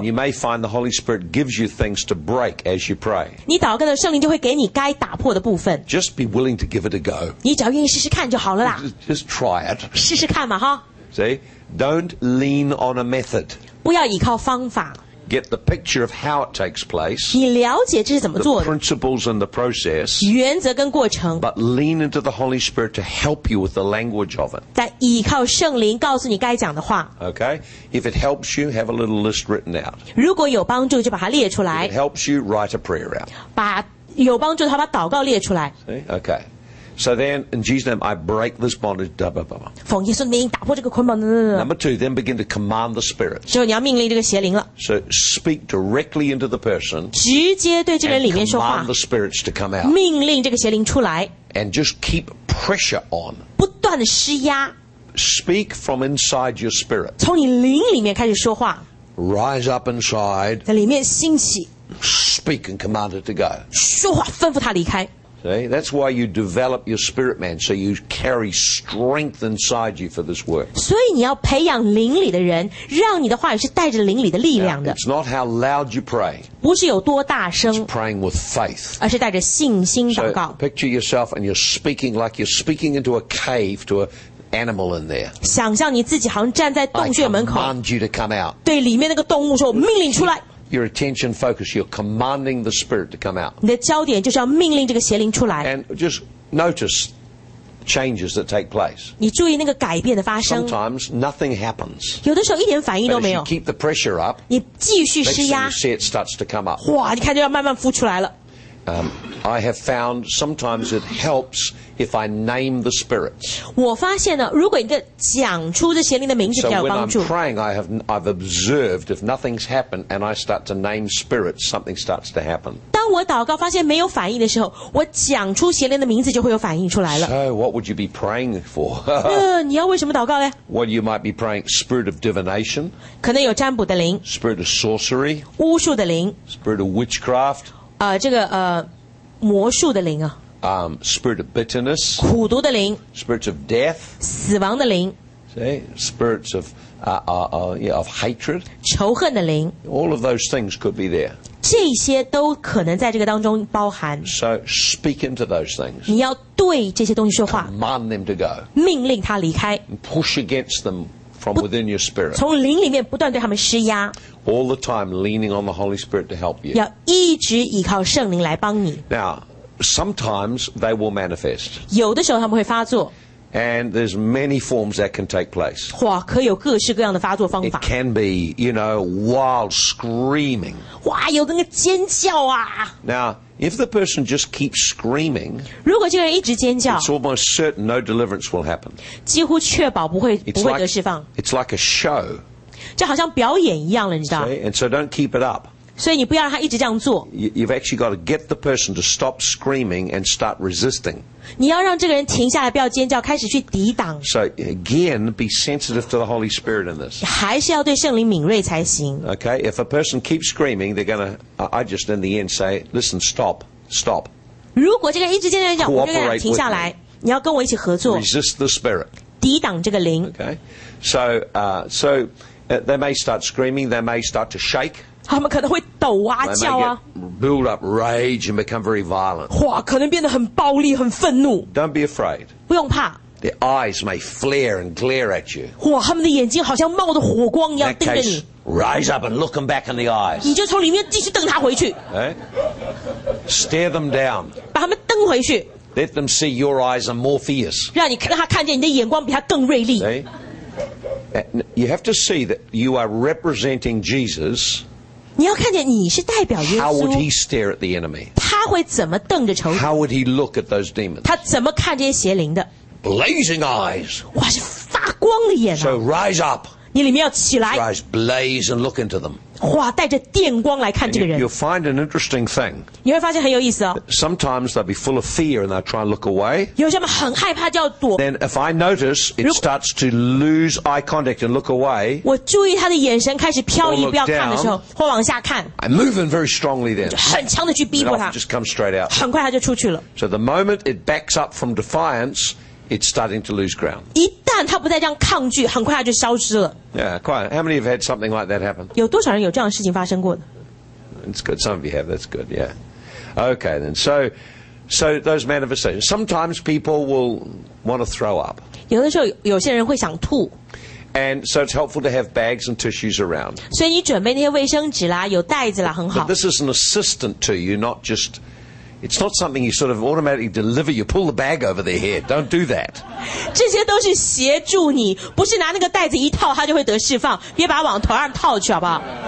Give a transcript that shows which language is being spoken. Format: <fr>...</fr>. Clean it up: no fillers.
<en>And you may find the Holy Spirit gives you things to break as you pray.</en> <zh>你祷告的圣灵就会给你该打破的部分。</zh> <en>Just be willing to give it a go.</en> <zh>你只要愿意试试看就好了啦。</zh> <en>Just try it.</en> <zh>试试看嘛，哈。</zh> <en>See, don't lean on a method.</en> <zh>不要依靠方法。</zh> <en>Get the picture of how it takes place.</en> <zh>你了解这是怎么做的。</zh> <en>The principles and the process.</en> <zh>原则跟过程。</zh> <en>But lean into the Holy Spirit to help you with the language of it.</en> <zh>在依靠圣灵告诉你该讲的话。</zh> <en>Okay. If it helps you, have a little list written out.</en> <zh>如果有帮助，就把它列出来。</zh> <en>If it helps you, write a prayer out.</en> <zh>把有帮助，他把祷告列出来。</zh> <en>See? Okay. So then, in Jesus' name, I break this bondage. Blah, blah, blah.</en> <zh>奉耶稣的名打破这个捆绑。</zh> <en>Number two, then begin to command the spirit.</en> <zh>之后你要命令这个邪灵了。</zh> <en>So speak directly into the person.</en> <zh>直接对这个人里面说话。</zh> <en>And command the spirits to come out.</en> <zh>命令这个邪灵出来。</zh> <en>And just keep pressure on.</en> <zh>不断的施压。</zh> <en>Speak from inside your spirit.</en> <zh>从你灵里面开始说话。</zh> <en>Rise up inside.</en> <zh>在里面兴起。</zh> <en>Speak and command it to go.</en> <zh>说话吩咐他离开。</zh> <en>See? That's why you develop your spirit man, so you carry strength inside you for this work.</en> <zh>所以你要培养灵里的人，让你的话语是带着灵里的力量的。</zh> <en>Now, it's not how loud you pray.</en> <zh>不是有多大声。</zh> <en>It's praying with faith.</en> <zh>而是带着信心祷告。</zh> <en>So, picture yourself and you're speaking like you're speaking into a cave to an animal in there.</en> <zh>想象你自己好像站在洞穴门口。</zh> <en>I command you to come out.</en> <zh>对里面那个动物说，命令出来。</zh> <en>Your attention focus, you're commanding the spirit to come out.</en> <zh>你的焦点就是要命令这个邪灵出来。</zh> <en>And just notice changes that take place.</en> <zh>你注意那个改变的发生。</zh> <en>Sometimes nothing happens.</en> <zh>有的时候一点反应都没有。</zh> <en>You keep the pressure up.</en> <zh>你继续施压。</zh> <en>Next thing you see, it starts to come up.</en> <zh>哇，你看就要慢慢浮出来了。</zh> <en>I have found sometimes it helps if I name the spirits.</en> <zh>我发现呢，如果你讲出这邪灵的名字，比较有帮助。</zh> <en>So when I'm praying, I've observed if nothing's happened and I start to name spirits, something starts to happen.</en> <zh>当我祷告发现没有反应的时候，我讲出邪灵的名字就会有反应出来了。</zh> <en>So what would you be praying for?</en> <zh>你要为什么祷告呢？</zh> <en>Well, you might be praying spirit of divination.</en> <zh>可能有占卜的灵。</zh> <en>Spirit of sorcery.</en> <zh>巫术的灵。</zh> <en>Spirit of witchcraft.</en> <zh>魔术的灵啊。</zh> <en>Spirit of bitterness.</en> <zh>苦毒的灵。</zh> <en>Spirits of death.</en> <zh>死亡的灵。</zh> <en>See? Spirits of hatred.</en> <zh>仇恨的灵。</zh> <en>All of those things could be there.</en> <zh>这些都可能在这个当中包含。</zh> <en>So, speak into those things.</en> <zh>你要对这些东西说话。</zh> <en>Command them to go.</en> <zh>命令他离开。</zh> <en>Push against them from within your spirit.</en> <zh>从灵里面不断对他们施压。</zh> <en>All the time leaning on the Holy Spirit to help you.</en> <zh>要一直依靠圣灵来帮你。</zh> <en>Now, sometimes they will manifest.</en> <zh>有的时候他们会发作。</zh> <en>And there's many forms that can take place.</en> <zh>哇，可有各式各样的发作方法。</zh> <en>It can be, you know, wild screaming.</en> <zh>哇，有那个尖叫啊。</zh> <en>Now, if the person just keeps screaming,</en> <zh>如果这个人一直尖叫,</zh> <en>it's almost certain no deliverance will happen.</en> <zh>几乎确保不会得释放。</zh> <en>It's like a show.</en> <zh>就好像表演一样了，你知道？</zh> <en>See? And so don't keep it up.</en> <zh>所以你不要让他一直这样做。</zh> <en>You've actually got to get the person to stop screaming and start resisting.</en> <zh>你要让这个人停下来，不要尖叫，开始去抵挡。</zh> <en>So again, be sensitive to the Holy Spirit in this.</en> <zh>还是要对圣灵敏锐才行。</zh> <en>Okay, if a person keeps screaming, they're going to, I just in the end say, listen, stop, stop.</en> <zh>如果这个人一直尖叫，我就跟他停下来，你要跟我一起合作。</zh> <en>Resist the Spirit.</en> <zh>抵挡这个灵。</zh> <en>Okay, so,they may start screaming, they may start to shake.</en> <zh>他们可能会抖啊叫啊。</zh> <en>Build up rage and become very violent.</en> <zh>哇，可能变得很暴力，很愤怒。</zh> <en>Don't be afraid.</en> <zh>不用怕。</zh> <en>Their eyes may flare and glare at you.</en> <zh>哇，他们的眼睛好像冒着火光一样盯着你。</zh> <en>Rise up and look them back in the eyes.</en> <zh>你就从里面继续瞪他回去。</zh> <en>Stare them down.</en> <zh>把他们瞪回去。</zh> <en>Let them see your eyes are more fierce.</en> <zh>让他看见你的眼光比他更锐利。</zh> <en>You have to see that you are representing Jesus.</en> <zh>你要看见你是代表耶稣。</zh> <en>How would he stare at the enemy?</en> <zh>他会怎么瞪着仇敌？</zh> <en>How would he look at those demons?</en> <zh>他怎么看这些邪灵的？</zh> <en>Blazing eyes.</en> <zh>哇，是发光的眼啊！</zh> <en>So rise up.</en> <zh>你里面要起来。</zh> <en>Rise, blaze, and look into them.</en> <zh>哇，带着电光来看这个人。</zh> <en>You'll find an interesting thing.</en> <zh>你会发现很有意思哦。</zh> <en>Sometimes they'll be full of fear and they'll try and look away.</en> <zh>有些人很害怕就要躲。</zh> <en>Then if I notice it starts to lose eye contact and look away,</en> <zh>我注意他的眼神开始飘移不要看的时候，或往下看。</zh> <en>I move in very strongly then.</en> <zh>很强的去逼迫他。</zh> <en>Just come straight out.</en> <zh>很快他就出去了。</zh> <en>So the moment it backs up from defiance,It's starting to lose ground.</en> <zh>一旦他不再这样抗拒，很快他就消失了。</zh> <en>Yeah, quite. How many have had something like that happen?</en> <zh>有多少人有这样的事情发生过的？</zh> <en>That's good. Some of you have. That's good. Yeah. Okay, then. So those manifestations. Sometimes people will want to throw up.</en> <zh>有的时候有些人会想吐。</zh> <en>And so it's helpful to have bags and tissues around.</en> <zh>所以你准备那些卫生纸啦，有袋子啦，很好。</zh> <en>But this is an assistant to you, not just. It's not something you sort of automatically deliver. You pull the bag over their head. Don't do that.</en> <zh>这些都是协助你，不是拿那个袋子一套，他就会得释放。别把往头上套去，好不好？</zh>